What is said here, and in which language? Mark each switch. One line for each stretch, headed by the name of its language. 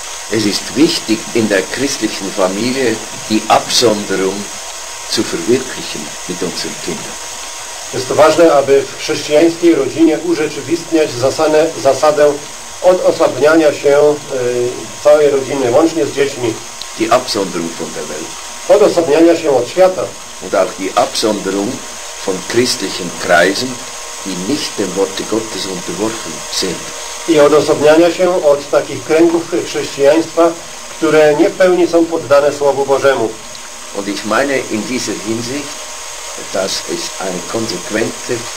German: Es ist wichtig, in der christlichen Familie die Absonderung zu verwirklichen mit unseren Kindern.
Polish: Jest to ważne, aby w chrześcijańskiej rodzinie urzeczywistniać zasadę odosobniania się całej rodziny, łącznie z dziećmi.
German: Die Absonderung von der Welt.
Polish: Odosobniania się od świata.
German: Und auch die Absonderung von christlichen Kreisen, die nicht dem Worte Gottes unterworfen sind.
Polish: I odosobniania się od takich kręgów chrześcijaństwa, które nie w pełni są poddane Słowu Bożemu.
German: Und ich meine in dieser Hinsicht, das ist eine konsequente